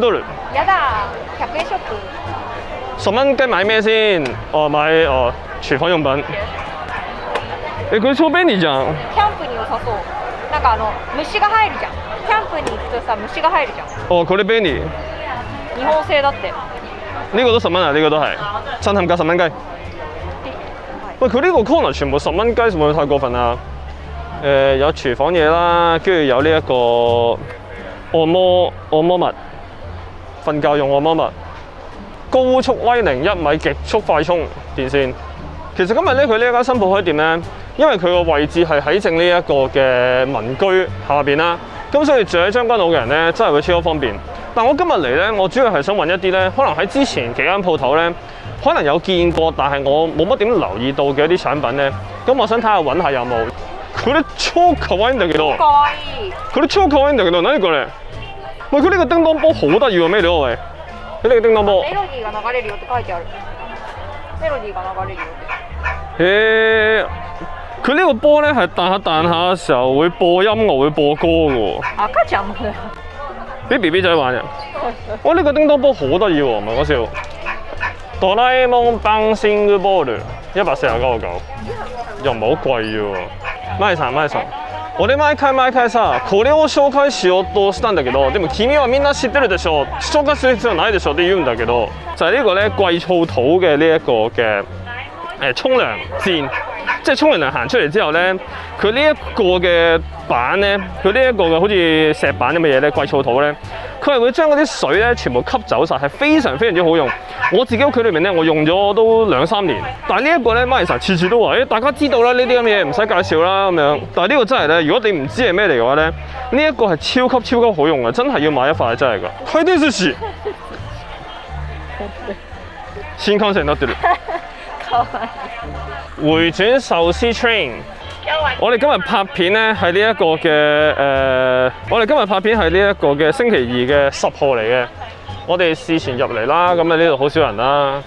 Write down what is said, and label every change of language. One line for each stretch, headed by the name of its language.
Japanese: ドル。やだ。100円ショップ。
Cantonese: 十蚊鸡买咩先？哦，买哦厨房用品。
Japanese: え、これ超便利じゃん。キャンプに良さそう。なんかあの虫が入るじゃん。キャンプに行くとさ虫が入るじゃん。お、これ便利。日本製だって。
Cantonese: 呢個都十蚊啊！呢個都係。震撼價十蚊雞。喂，佢呢個 corner 全部十蚊雞，會唔會太過分啊？有廚房嘢啦，跟住有呢一個按摩物，瞓覺用按摩物，高速威靈一米極速快充電線。其實今日咧，佢呢間新鋪開店咧。因為佢個位置係喺正呢一個嘅民居下面啦，咁所以住喺將軍澳嘅人咧，真係會超方便。但我今日嚟咧，我主要係想揾一啲咧，可能喺之前幾間鋪頭咧，可能有見過，但係我冇乜點留意到嘅一啲產品咧。咁我想睇下揾下有冇。佢啲超可愛定幾多？可愛。佢啲超可愛定幾多？哪一個咧？喂，佢呢個叮噹波好得意喎，咩料啊？喂，佢呢個叮噹波。
Japanese: Melody が流れるよって書いてある。Melody が流れるよって。
Cantonese: 佢呢個波咧係彈下彈下嘅時候會播音樂，會播歌嘅喎。啊，家陣啊，俾 B B 仔玩嘅。哇，呢個叮噹波好得意喎，唔係講笑。哆啦 A 夢 Bouncing Ball 149.99，又唔係好貴啫喎。麥神麥神，我哋麥開麥開
Japanese: さ、これを紹介しようとしたんだけど、でも君はみんな知ってるでしょ、紹介する必要ないでしょって言うんだけど、
Cantonese: 就係呢個咧貴草土嘅呢一個嘅沖涼墊。即係沖完涼行出嚟之後咧，佢呢一個嘅板咧，佢呢一個嘅好似石板咁嘅嘢咧，貴草土咧，佢係會將嗰啲水咧全部吸走曬，係非常非常之好用。我自己屋企裏面咧，我用咗都兩三年。但係呢一個咧 ，Marissa 次次都話：，大家知道啦，呢啲咁嘢唔使介紹啦咁樣。但係呢個真係咧，如果你唔知係咩嚟嘅話咧，呢一個係超級超級好用嘅，真係要買一塊真係噶。睇啲事新幹線都得啦。回转寿司 train， 我哋今日拍片咧系呢一个嘅我哋今日拍片系呢一个嘅星期二嘅十号嚟嘅。我哋事前入嚟啦，咁啊呢度好少人啦。